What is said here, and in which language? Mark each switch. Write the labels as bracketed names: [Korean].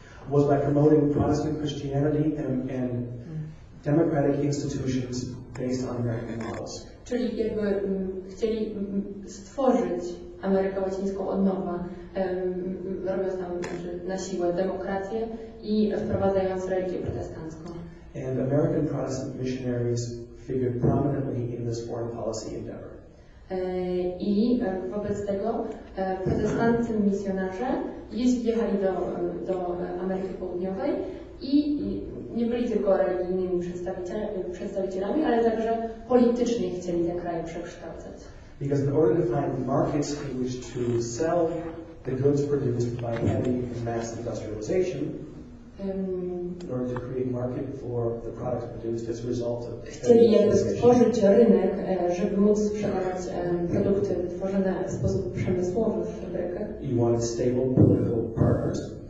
[English] was by promoting Protestant Christianity and democratic institutions based on American models. [Polish] Czyli jakby chcieli stworzyć Amerykę Łacińską od nowa, robiąc tam na siłę demokrację i wprowadzając religię protestancką. [English] And American Protestant missionaries figured prominently in this foreign policy endeavor. [Polish] I wobec tego protestanccy misjonarze jeździli do Ameryki Południowej i nie byli tylko religijnymi przedstawicielami, ale także politycznie chcieli te kraje przekształcać. [English] Because in order to find markets in which to sell the goods produced by heavy and mass industrialization, in order to create market for the products produced as a result of [Polish] chcieli jakby stworzyć rynek, żeby móc sprzedawać produkty tworzone w sposób przemysłowy w fabrykach. [English] You want stable political partners.